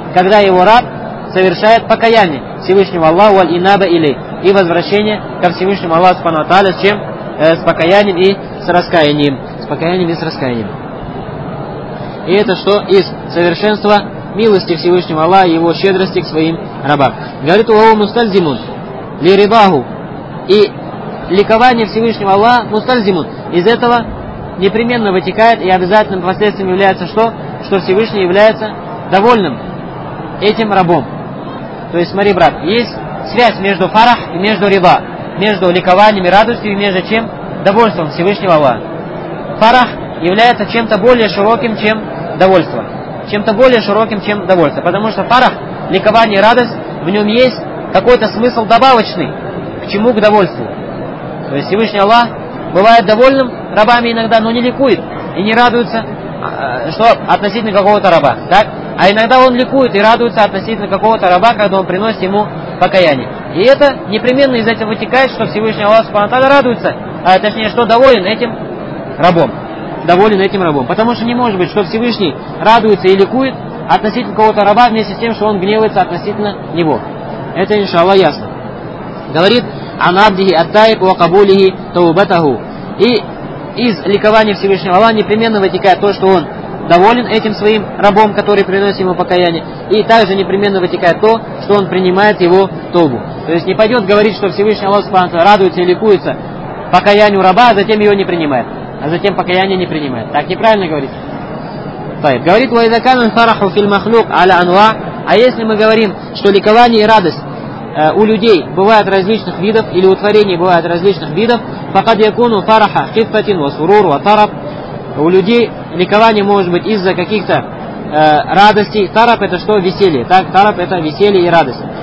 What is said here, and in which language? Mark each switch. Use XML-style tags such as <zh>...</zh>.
<ru>Когда его раб совершает покаяние Всевышнего Аллаха,</ru> <ar>والإنابة إليه,</ar> <ru>и возвращение ко Всевышнему Аллаху Субхану ва Тааля, с чем? С покаянием и с раскаянием. С покаянием и с раскаянием. И это что? Из совершенства милости Всевышнего Аллаха и его щедрости к своим рабам. Говорит,</ru> <ar>وهو مستلزم لرضاه.</ar> <ru>И ликование Всевышнего Аллаха</ru> <ar>مستلزم.</ar> <ru>Из этого непременно вытекает и обязательным последствием является что? Что Всевышний является довольным этим рабом. То есть смотри, брат, есть связь между фарах и между риба, между ликованием и радостью, и между чем? Довольством Всевышнего Аллаха. Фарах является чем-то более широким, чем довольство. Чем-то более широким, чем довольство. Потому что фарах, ликование и радость, в нем есть какой-то смысл добавочный. К чему? К довольству. То есть Всевышний Аллах бывает довольным рабами иногда, но не ликует и не радуется, что относительно какого-то раба, так? А иногда он ликует и радуется относительно какого-то раба, когда он приносит ему покаяние. И это непременно из этого вытекает, что Всевышний Аллах Субхана ва Тааля радуется, а точнее, что доволен этим рабом. Доволен этим рабом. Потому что не может быть, что Всевышний радуется и ликует относительно какого-то раба, вместе с тем, что он гневается относительно него. Это, иншаллах, ясно. Говорит,</ru> <ar>عن عبده التائب وقبوله توبته.</ar> <ru>И из ликования Всевышнего Аллаха непременно вытекает то, что он доволен этим своим рабом, который приносит ему покаяние. И также непременно вытекает то, что он принимает его тобу. То есть не пойдет говорить, что Всевышний Аллах Субхана ва Тааля радуется и ликуется покаянию раба, а затем его не принимает. А затем покаяние не принимает. Так неправильно говорить. Тайб. Говорит,</ru> <ar>وَإِذَا كَانَ الْفَرَحُ فِي الْمَخْلُوقِ عَلَى أَنْوَاعٍ.</ar> <ru>А если мы говорим, что ликование и радость у людей бывают различных видов, или у творений бывают различных видов,</ru> <ar>فَقَدْ يَكُونُ فَرَحَ خِفَّةٍ وَسُرُورُ وَطَرَبْ.</ar> <ru>У людей ликование может быть из-за каких-то радостей. Тараб — это что? Веселье. Так, тараб — это веселье и радость.</ru>